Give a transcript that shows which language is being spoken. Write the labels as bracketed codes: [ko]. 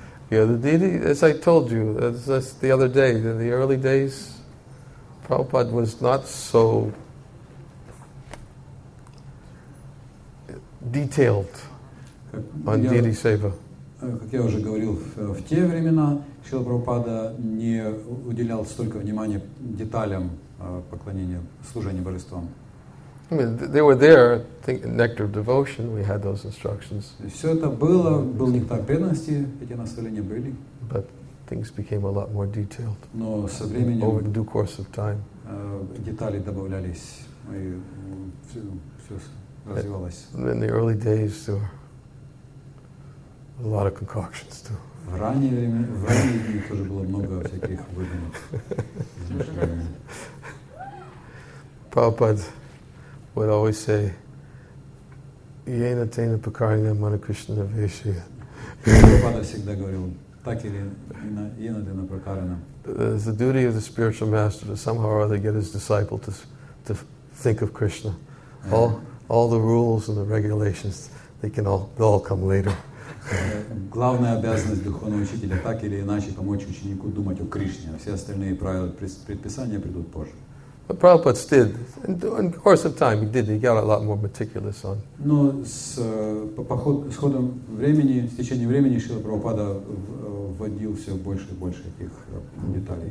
[en] Yeah, the deity, as I told you, as the other day, in the early days, Prabhupada was not so detailed on deity seva. [ru] Как я уже говорил, в те времена Шрила Прабхупада не уделял столько внимания деталям поклонения, служения божествам. [en] I mean, they were there, nectar of devotion, we had those instructions. [ru] Все это было, был нектар преданности, эти наставления были. [en] But things became a lot more detailed. [ru] Но со временем, [en] over due course of time, [ru] детали добавлялись, и все развивалось. [en] In the early days, there were a lot of concoctions too. [ru] В ранние времена, в ранние дни тоже было много всяких выдумок. [en] Prabhupada would always say, [sa] "Yena tena pakarina mana Krishna vishya." [ru] Prabhupada всегда говорил, так или иначе, [sa] yena tena pakarina. [en] It's the duty of the spiritual master to somehow or other get his disciple to think of Krishna. All the rules and the regulations, they'll all come later. [ru] Главная обязанность духовного учителя так или иначе помочь ученику думать о Кришне. Все остальные правила, предписания придут позже. But Prabhupada did, in the course of time, he did. He got a lot more meticulous on. Но с ходом времени, с течением времени, Шрила Прабхупада вводил все больше и больше этих деталей.